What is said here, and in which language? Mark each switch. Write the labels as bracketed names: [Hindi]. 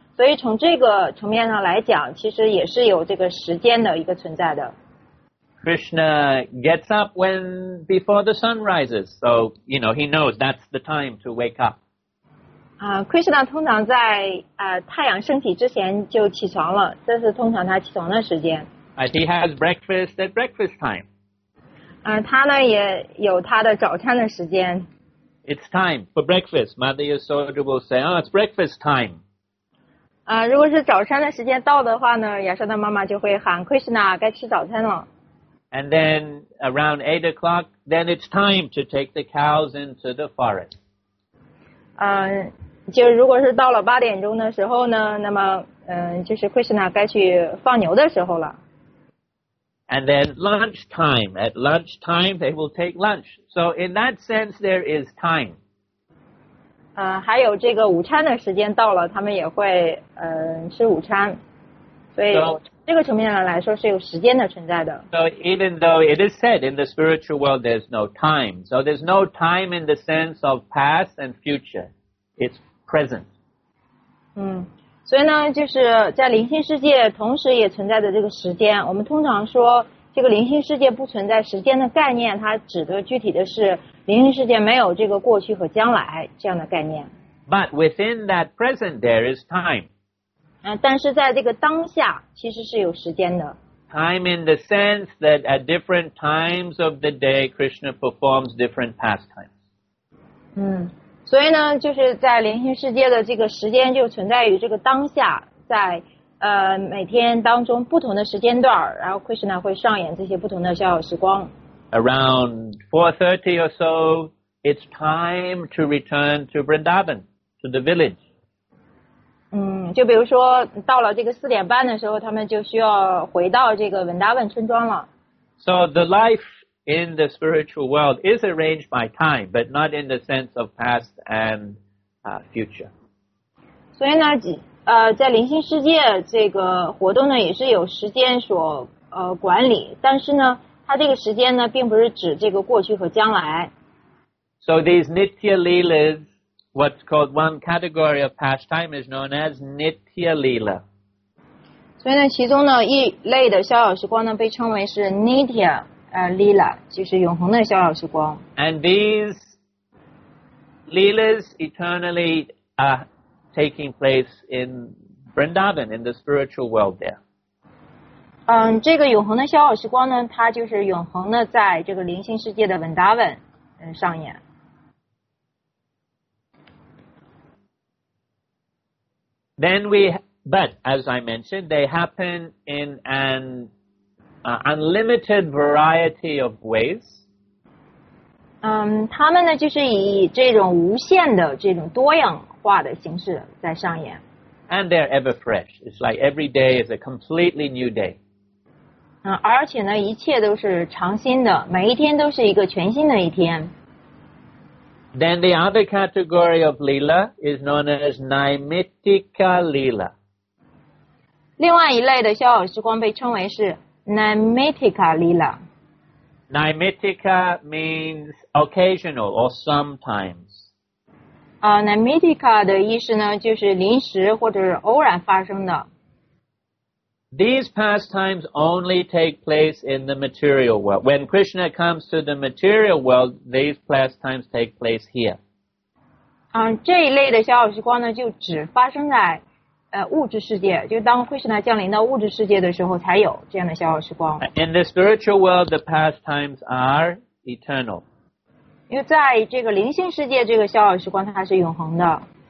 [Chinese] 所以从这个层面上来讲，其实也是有这个时间的一个存在的。 [English] Krishna gets up when before the sun rises, so you know he knows that's the time to wake up. [Chinese] Krishna 通常在太阳升起之前就起床了，这是通常他起床的时间。 [English] He has breakfast at breakfast time. [Chinese] 他呢也有他的早餐的时间。 [English] it's time for breakfast. Mother Yasoda will say, oh, it's breakfast time. [Chinese] 如果是早餐的时间到的话呢，亚瑟的妈妈就会喊 Krishna, 该吃早餐了。 [English] And then around 8 o'clock, then it's time to take the cows into the forest. [Chinese] 就如果是到了八点钟的时候呢，那么就是 Krishna 该去放牛的时候了。 [English] And then lunch time. At lunch time, they will take lunch. So in that sense, there is time. [Chinese] 还有这个午餐的时间到了，他们也会吃午餐。所以 [English] so, [Chinese] 这个层面上来说是有时间的存在的。 [English] So even though it is said in the spiritual world, there's no time. So there's no time in the sense of past and future. It's present. [Chinese] 所以呢，就是在灵性世界同时也存在着这个时间。我们通常说这个灵性世界不存在时间的概念，它指的具体的是灵性世界没有这个过去和将来这样的概念。 [English] But within that present, there is time. [Chinese] 但是在这个当下其实是有时间的。 [English] Time in the sense that at different times of the day, Krishna performs different pastimes. [Chinese] 所以呢，就是在灵性世界的这个时间就存在于这个当下，在每天当中不同的时间段，然后 Krishna 会上演这些不同的逍遥时光。 [English] Around 4:30 or so, it's time to return to Vrindavan, to the village. [Chinese] 就比如说到了这个四点半的时候，他们就需要回到这个 Vrindavan 村庄了。 [English] So the life. In the spiritual world is arranged by time, but not in the sense of past and future. [Chinese] 所以呢，在灵性世界这个活动呢，也是有时间所管理，但是呢，它这个时间呢，并不是指这个过去和将来。 [English] So these Nitya Leelas, what's called one category of pastime is known as Nitya Leela. [Chinese] 所以呢，其中呢一类的逍遥时光呢，被称为是 Nitya。 Leela, 就是永恒的逍遥时光。 [English] And these Leelas eternally are taking place in Vrindavan, in the spiritual world there. [Chinese] 这个永恒的逍遥时光呢，它就是永恒的在这个灵性世界的 Vrindavan 上演。 [English] Then we, but as I mentioned, they happen in anunlimited variety of ways. [Chinese] 他们呢就是以这种无限的这种多样化的形式在上演。 [English] And they're ever fresh. It's like every day is a completely new day. [Chinese] 而且呢一切都是常新的，每一天都是一个全新的一天。 [English] Then the other category of Leela is known as Naimittika Leela. [Chinese] 另外一类的逍遥时光被称为是Naimittika Leela. [English] Naimittika means occasional or sometimes. [Chinese] Naimittika 的意思呢，就是临时或者是偶然发生的。 [English] These pastimes only take place in the material world. When Krishna comes to the material world, these pastimes take place here. [Chinese] 这一类的逍遥时光呢，就只发生在物质世界，就当慧士呢降临到物质世界的时候，才有这样的逍遥时光。 [English] In the spiritual world, the pastimes are eternal. [Chinese] 因为在这个灵性世界，这个逍遥时光它是永恒的。